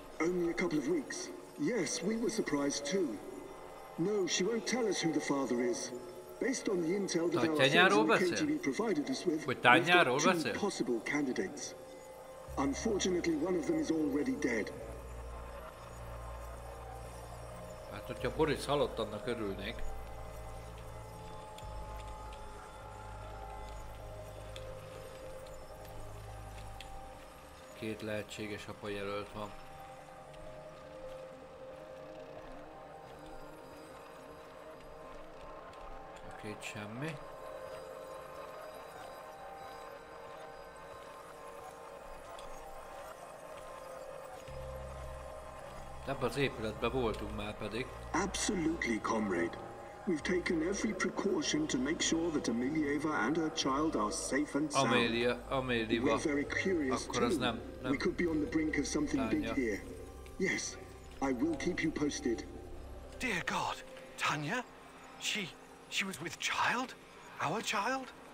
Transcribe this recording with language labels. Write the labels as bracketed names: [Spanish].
[English] Only a couple of weeks. Yes, we were surprised too. No, she won't tell us who the father is. Based on the intel that our friends in the KGB provided us with, we've got two possible candidates. Unfortunately, one of them is already dead. [Hungarian] Hát, hogyha Boris halott, annak örülnék. Két lehetséges apa jelölt van. Két semmi. Ebben az épületben voltunk már pedig. [English] Absolutely, comrade. We've taken every precaution to make sure that Amelieva and her child are safe and sound. Amelieva. We're very curious too. We could be on the brink of something big here. Yes, I will keep you posted. Dear God, Tanya? She was with child? Our child?